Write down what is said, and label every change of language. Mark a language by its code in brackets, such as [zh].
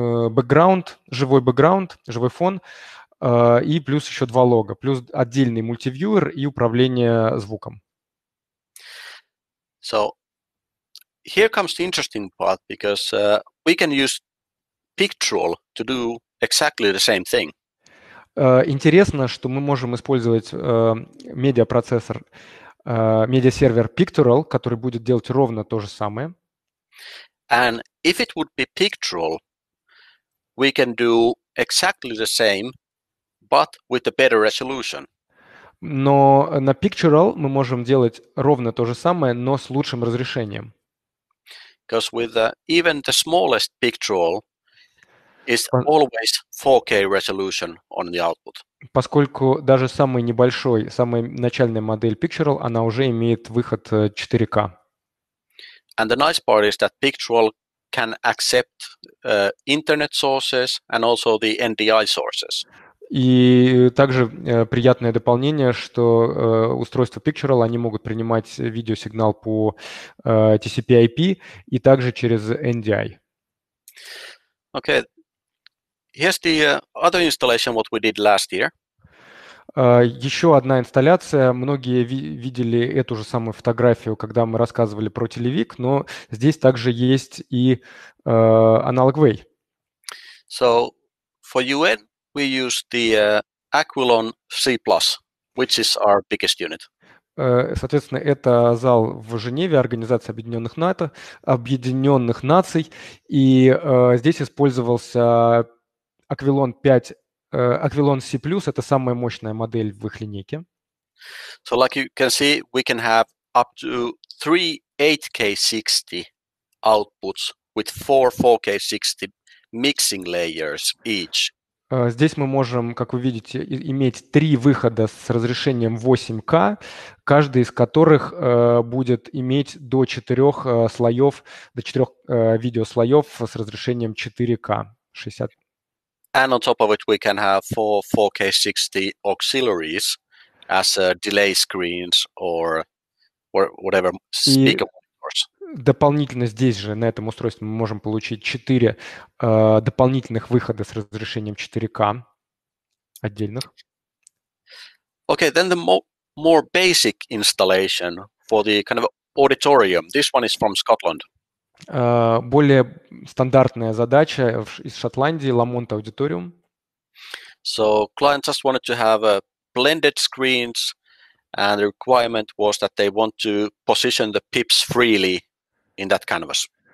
[ru] Бэкграунд, живой бэкграунд, живой фон, и плюс еще два лога, плюс отдельный мультивьюер и управление звуком. [en] So, here comes the interesting part, because we can use Picturall to do exactly the same thing. [ru] Интересно, что мы можем использовать медиапроцессор, медиа-сервер Picturall, который будет делать ровно то же самое. [en] And if it would be Picturall, we can do exactly the same, but with a better resolution. [ru] Но на Picturall мы можем делать ровно то же самое, но с лучшим разрешением. [en] Because with even the smallest Picturall, it's always 4K resolution on the output. [ru] Поскольку даже самый небольшой, самая начальная модель Picturall, она уже имеет выход 4K. [en] And the nice part is that Picturall can accept internet sources and also the NDI sources. [ru] И также приятное дополнение, что устройства Picturall, они могут принимать видеосигнал по TCP/IP и также через NDI. [en] Okay. Here's the other installation what we did last year. [ru] Еще одна инсталляция. Многие видели эту же самую фотографию, когда мы рассказывали про телевик, но здесь также есть и Analog Way. [en] So for UN we use the Aquilon C+, which is our biggest unit. [ru] Соответственно, это зал в Женеве, Организация Объединенных Наций, и здесь использовался Aquilon 5 Aquilon C+ — это самая мощная модель в их линейке. [en] So like you can see, we can have up to 3 8K 60 outputs with 4 4K 60 mixing layers each. [ru] Здесь мы можем, как вы видите, иметь три выхода с разрешением 8K, каждый из которых будет иметь до четырех слоев, до четырех видеослоев с разрешением 4K 60. [en] And on top of it, we can have four 4K 60 auxiliaries as delay screens or whatever speaker monitors. [ru] Дополнительно здесь же, на этом устройстве, мы можем получить 4 дополнительных выхода с разрешением 4K отдельных. [en] Okay, then the more basic installation for the kind of auditorium. This one is from Scotland. [ru] Более стандартная задача из Шотландии, Ламонт аудиториум. [en] So client just wanted to have a blended screens, and the requirement was that they want to position the pips freely in that canvas.